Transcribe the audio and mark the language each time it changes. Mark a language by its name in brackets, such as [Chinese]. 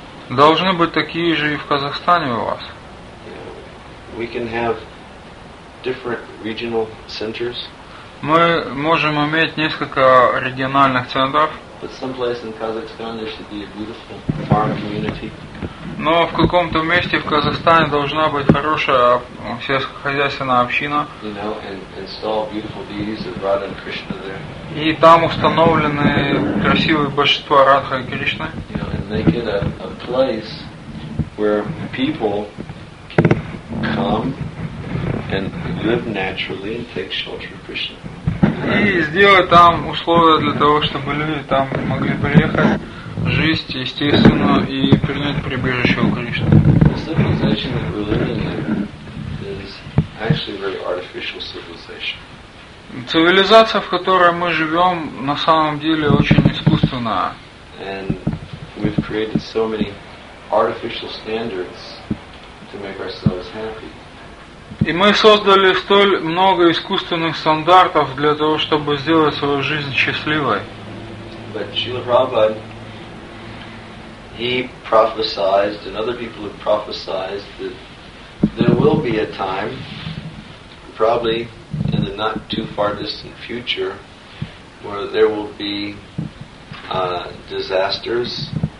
[Russian] Должны быть такие же и в Казахстане у вас. [English] We can have different regional centers. [Russian] Мы можем иметь несколько региональных центров. [English] But someplace in Kazakhstan there should be a beautiful farm community. [Russian] Но в каком-то месте в Казахстане должна быть хорошая сельскохозяйственная община. [English] You know, and install beautiful deities of Radha and Krishna there. [Russian] И там установлены красивые божества Радха и Кришны. [English] Make it a place where people can come and live naturally and take shelter of Krishna. [Russian] И сделать там условия для того, чтобы люди там могли приехать, жить естественно и принять прибежище у Кришны. [English] The civilization that we're living in is actually very artificial civilization. [Russian] Цивилизация, в которой мы живем, на самом деле очень искусственная. [English] We've created so many artificial standards to make ourselves happy. [Russian] И мы создали столь много искусственных стандартов для того, чтобы сделать свою жизнь счастливой. [English] But Srila Prabhupada, he prophesied, and other people have prophesied, that there will be a time, probably in the not too far distant future, where there will be disasters.